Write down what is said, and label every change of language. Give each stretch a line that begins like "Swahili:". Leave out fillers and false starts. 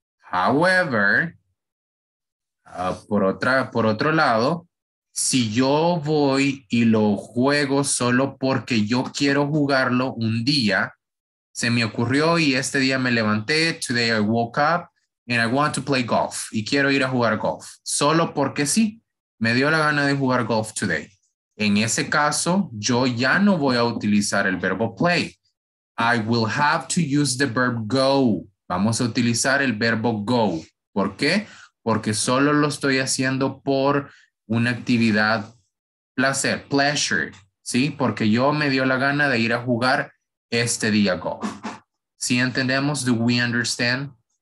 English: However,
Spanish: por otro lado, si yo voy y lo juego solo porque yo quiero jugarlo un día, se me ocurrió y este día me levanté,
English: today I woke up and I want to play golf.
Spanish: Y quiero ir a jugar golf. Solo porque sí, me dio la gana de jugar golf today. En ese caso, yo ya no voy a utilizar el verbo play.
English: I will have to use the verb go.
Spanish: Vamos a utilizar el verbo go. ¿Por qué? Porque solo lo estoy haciendo por una actividad placer, pleasure, ¿sí? Porque yo me dio la gana de ir a jugar este día golf. ¿Sí entendemos?
English: Do we understand?